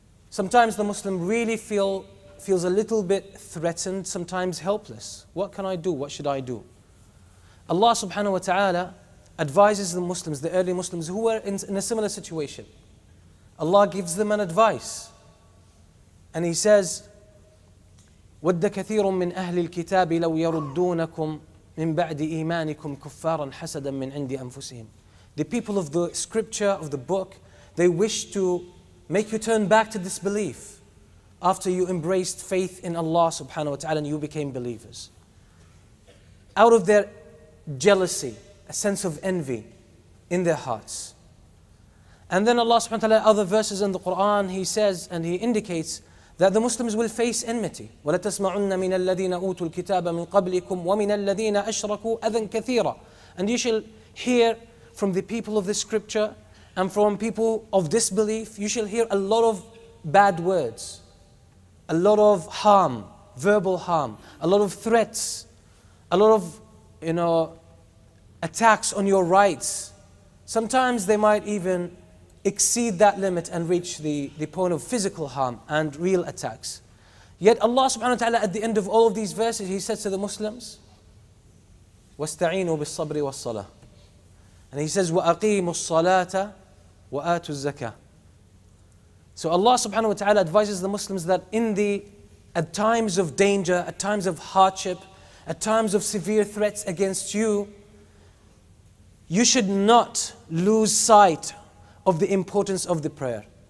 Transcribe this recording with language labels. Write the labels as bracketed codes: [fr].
[en] Sometimes the Muslim really feels a little bit threatened, sometimes helpless. What can I do? What should I do? Allah subhanahu wa ta'ala advises the Muslims, the early Muslims who were in a similar situation. Allah gives them an advice. [ar] And he says, وَدَّ كَثِيرٌ مِّنْ أَهْلِ الْكِتَابِ لَوْ يَرُدُّونَكُمْ مِنْ بَعْدِ إِيمَانِكُمْ كُفَّارًا حَسَدًا مِّنْ عِنْدِ أَنفُسِهِمْ. [en] The people of the scripture, of the book, they wish to make you turn back to disbelief after you embraced faith in Allah subhanahu wa ta'ala and you became believers. Out of their jealousy, a sense of envy in their hearts. And then Allah subhanahu wa ta'ala, other verses in the Quran, he says and he indicates that the Muslims will face enmity. [ar] وَلَتَسْمَعُنَّ مِنَ الَّذِينَ أُوتُوا الْكِتَابَ مِنْ قَبْلِكُمْ وَمِنَ الَّذِينَ أَشْرَكُوا أَذًا كَثِيرًا. [en] And you shall hear from the people of the scripture and from people of disbelief, you shall hear a lot of bad words, a lot of harm, verbal harm, a lot of threats, a lot of you know, attacks on your rights. Sometimes they might even exceed that limit and reach the point of physical harm and real attacks. Yet Allah subhanahu wa ta'ala, at the end of all of these verses, He said to the Muslims, وَاسْتَعِينُوا بِالصَّبْرِ وَالصَّلَةِ. [ar] And He says, وَأَقِيمُوا الصَّلَاةَ وَآتُوا الزَّكَةَ. [en] So Allah subhanahu wa ta'ala advises the Muslims that at times of danger, at times of hardship, at times of severe threats against you, you should not lose sight of the importance of the prayer.